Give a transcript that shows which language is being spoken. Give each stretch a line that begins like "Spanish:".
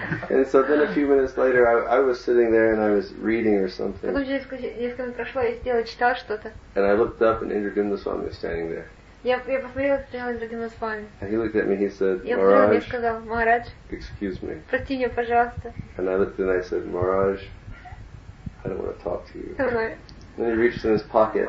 English: And so then a few minutes later, I was sitting there and I was reading or something.
Russian: Потом несколько минут прошло, я сидела, читала что-то.
English: And I looked up and Indradumaswamy was standing there.
Russian: Я посмотрела, стоял Индрадумаswamy.
English: And he looked at me. He said, Maharaj. Excuse me.
Russian: Прости меня, пожалуйста.
English: And I looked and I said, Maharaj, I don't want to talk to you. Then he reached in his pocket.